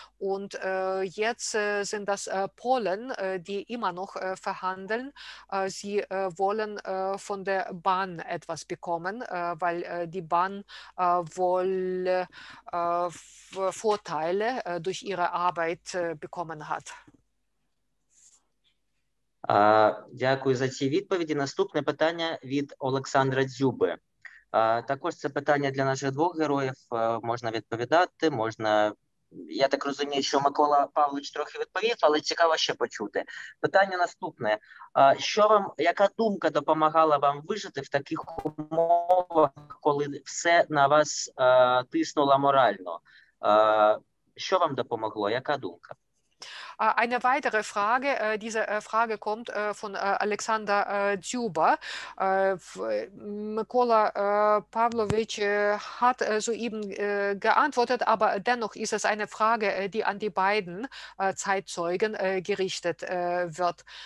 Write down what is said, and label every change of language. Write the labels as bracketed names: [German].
[German] Und jetzt sind das Polen, die immer noch verhandeln. Sie wollen von der Bahn etwas bekommen, weil die Bahn wohl Vorteile durch ihre Arbeit bekommen hat. [Ukrainian] Дякую за ці відповіді. Наступне питання від Олександра Дзюби. Також це питання для наших двох героїв. Можна відповідати, можна... Я так розумію, що Микола Павлович трохи відповів, але цікаво ще почути. Питання наступне. Що вам, яка думка допомагала вам вижити в таких умовах, коли все на вас тиснуло морально? Що вам допомогло, яка думка? [German] Eine weitere Frage, diese Frage kommt von Alexander Dzyuba. Mykola Pawlowicz hat soeben geantwortet, aber dennoch ist es eine Frage, die an die beiden Zeitzeugen gerichtet wird.